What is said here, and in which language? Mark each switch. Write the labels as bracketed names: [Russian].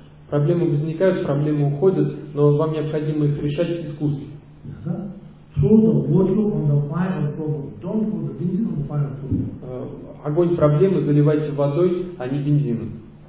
[Russian] Проблемы возникают, проблемы уходят, но вам необходимо их решать искусственно. [English] Throw the water on the fire problem. Don't throw the benzene on the fire problem. [Russian] огонь проблемы заливайте водой, а не бензином.